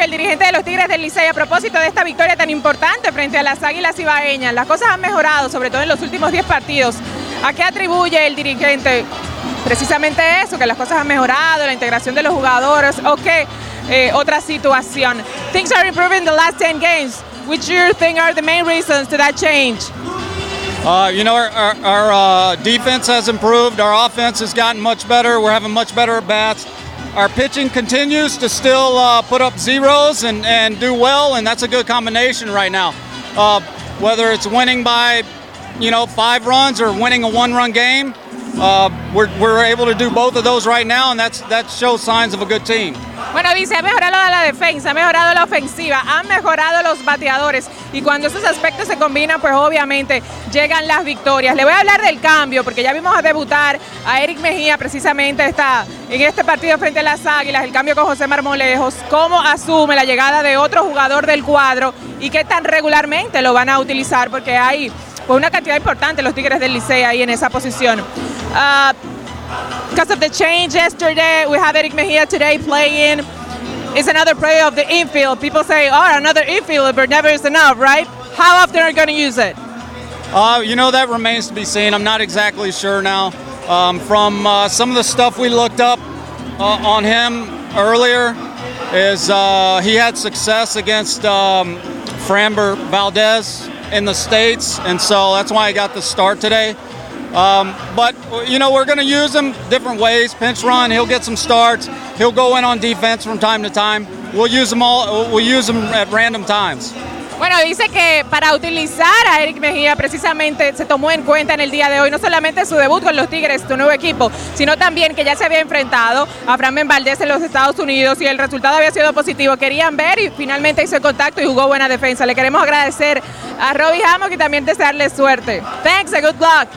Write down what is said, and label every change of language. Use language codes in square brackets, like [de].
[es] gente de los Tigres del Licey, a propósito de esta victoria tan importante frente a las Águilas Cibaeñas, las cosas han mejorado, sobre todo en los últimos 10 partidos. ¿A qué atribuye el dirigente precisamente eso, que las cosas han mejorado, la integración de los jugadores, o qué otra situación? [en] Things are improving the last 10 games. Which do you think are the main reasons to that change? You know, our defense has improved. Our offense has gotten much better. We're having much better at bats. Our pitching continues to still put up zeros and do well, and that's a good combination right now. Whether it's winning by, you know, 5 runs or winning a 1-run game, we're able to do both of those right now, and that shows signs of a good team. [es] Bueno, dice, ha mejorado la defensa, ha mejorado la ofensiva, han mejorado los bateadores. Y cuando esos aspectos se combinan, pues obviamente llegan las victorias. Le voy a hablar del cambio, porque ya vimos a debutar a Eric Mejía precisamente en este partido frente a las Águilas, el cambio con José Marmolejos. ¿Cómo asume la llegada de otro jugador del cuadro y qué tan regularmente lo van a utilizar? Porque hay pues una cantidad importante los Tigres del Licey ahí en esa posición. [en] Because of the change yesterday, we have Eric Mejía today playing. It's another player of the infield. People say, oh, another infielder, but never is enough, right? How often are you going to use it? You know, that remains to be seen. I'm not exactly sure now. From some of the stuff we looked up on him earlier, is he had success against Framber Valdez in the States, and so that's why he got the start today. But, you know, we're going to use him different ways. Pinch run, he'll get some starts. He'll go in on defense from time to time. We'll use him at random times. [es] Bueno, dice que para utilizar a Eric Mejía precisamente se tomó en cuenta en el día de hoy no solamente su debut con los Tigres, tu nuevo equipo, sino también que ya se había enfrentado a Framber Valdez en los Estados Unidos y el resultado había sido positivo. Querían ver y finalmente hizo el contacto y jugó buena defensa. Le queremos agradecer a Robbie Hammock y también desearle suerte. [en] Thanks and good luck.